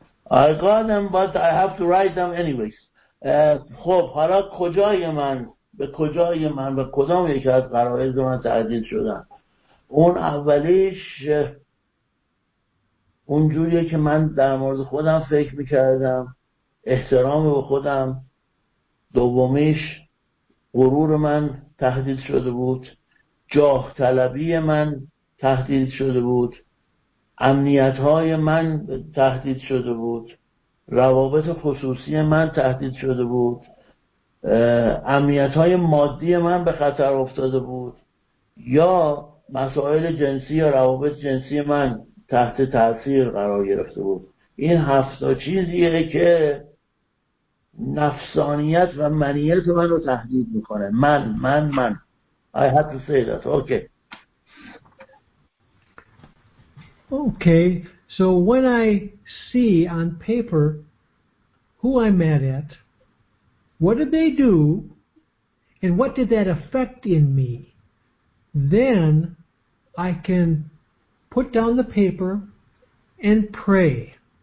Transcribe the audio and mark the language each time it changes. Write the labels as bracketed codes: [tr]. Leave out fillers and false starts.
[en] I got them, but I have to write them anyways. [fa] خب حالا کجای من به کدام یکی از قرارات من تعدید شدن؟ اون اولیش اونجوریه که من در مورد خودم فکر میکردم، احترام به خودم. دومیش غرور من تهدید شده بود، جاه طلبی من تهدید شده بود، امنیت های من تهدید شده بود، روابط خصوصی من تهدید شده بود، امنیت های مادی من به خطر افتاده بود، یا مسائل جنسی یا روابط جنسی من تحت تأثیر قرار گرفته بود. این هفتا چیزیه که نفسانیت و منیت من رو تهدید میکنه. من [en] I have to say that. Okay, so when I see on paper who I'm mad at, what did they do, and what did that affect in me, then I can put down the paper and pray.